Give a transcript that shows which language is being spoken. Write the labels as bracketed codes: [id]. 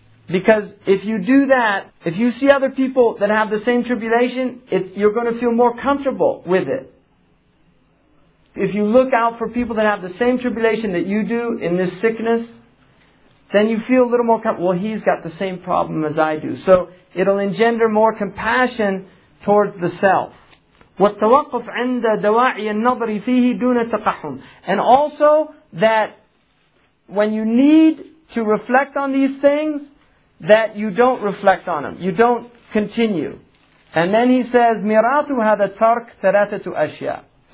[en] Because if you do that, if you see other people that have the same tribulation, you're going to feel more comfortable with it. If you look out for people that have the same tribulation that you do in this sickness, then you feel a little more, well, he's got the same problem as I do. So it'll engender more compassion towards the self. [ar] والتوقف عند دواعي النظر فيه دون التقحم. [en] And also that when you need to reflect on these things, that you don't reflect on them. You don't continue. And then he says, [ar] ميراث هذا ترك ثلاثة أشياء.